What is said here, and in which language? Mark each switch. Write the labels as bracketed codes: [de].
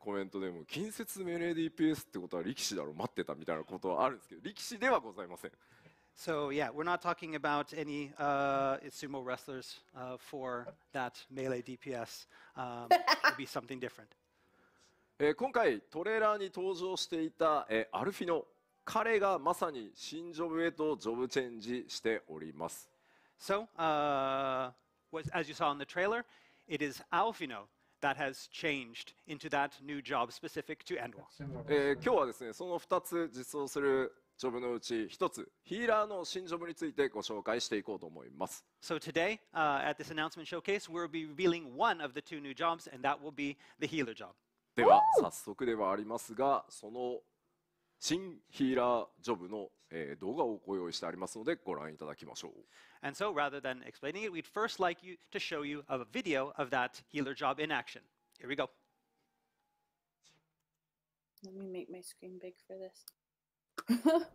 [ja] 結構ね、コメントでも近接命令 DPS ってことは力士だろ、待ってたみたいなことはあるんですけど、力士ではございません。 [en] So yeah, we're not talking about any sumo wrestlers for that melee DPS. It'll be something different. [ja] 今回トレーラーに登場していたアルフィノ、彼がまさに新ジョブへとジョブチェンジしております。 [en] So, as you saw in the trailer, it is Alfino that has changed into that new job specific to Endwalk. [ja] 今日はですね、その2つ実装するジョブのうち1つ、ヒーラーの新ジョブについてご紹介していこうと思います。 [en] So today, at this announcement showcase, we'll be revealing one of the two new jobs, and that will be the healer job. [ja] では、早速ではありますが、その新ヒーラージョブの、動画をご用意してありますので、ご覧いただきましょう。 [en] And so, rather than explaining it, we'd first like you to show you a video of that healer job in action. Here we go. Let me make my screen big for this.